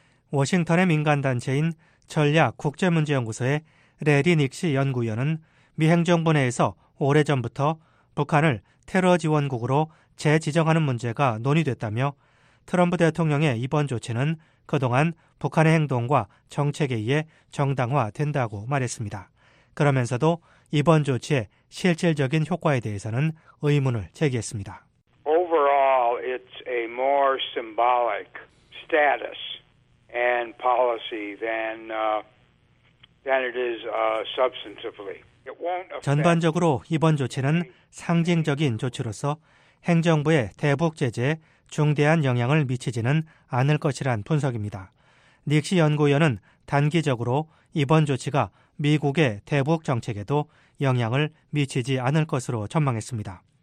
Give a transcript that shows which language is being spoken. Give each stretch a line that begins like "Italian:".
Korean: 워싱턴의 민간단체인 전략국제문제연구소의 레리 닉시 연구위원은 미 행정부 내에서 오래전부터 북한을 테러 지원국으로 재지정하는 문제가 논의됐다며 트럼프 대통령의 이번 조치는 그동안 북한의 행동과 정책에 의해 정당화된다고 말했습니다. 그러면서도 이번 조치의 실질적인 효과에 대해서는 의문을 제기했습니다.
English: Overall, it's a more symbolic status and policy than it is substantively.
Korean: 전반적으로 이번 조치는 상징적인 조치로서 행정부의 대북 제재에 중대한 영향을 미치지는 않을 것이란 분석입니다. 닉시 연구위원은 단기적으로 이번 조치가 미국의 대북 정책에도 영향을 미치지 않을 것으로 전망했습니다.